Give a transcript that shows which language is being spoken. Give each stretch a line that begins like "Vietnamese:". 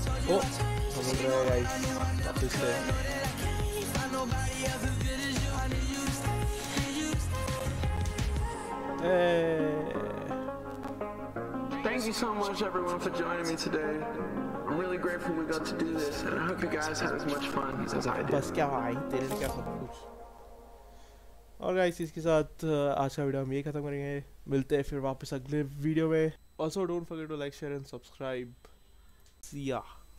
Hindi: Oh, samajh rahe hai guys.
English: Hey. Thank you so much, everyone, for joining me today. I'm really grateful we got to do this, and I hope you guys had as much fun as I did.
Hindi: बस क्या भाई, तेरे क्या सब कुछ. और guys, इसके साथ आज का वीडियो हम ये खत्म करेंगे. मिलते हैं फिर वापस अगले वीडियो में.
English: Also, don't forget to like, share, and subscribe. See ya.